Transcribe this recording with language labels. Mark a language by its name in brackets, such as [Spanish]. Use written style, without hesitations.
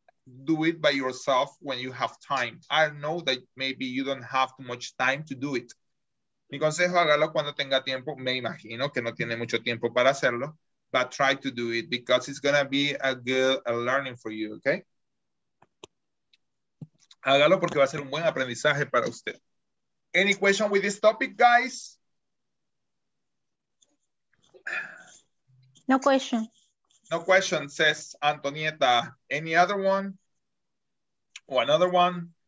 [English] Do it by yourself when you have time. I know that maybe you don't have too much time to do it. [Spanish] Mi consejo, hágalo cuando tenga tiempo. Me imagino que no tiene mucho tiempo para hacerlo. [English] But try to do it because it's going to be a good learning for you, okay? [Spanish] Hágalo porque va a ser un buen aprendizaje para usted. [English] Any question with this topic, guys? No question. No question, says Antonieta. Any other one? Or another one?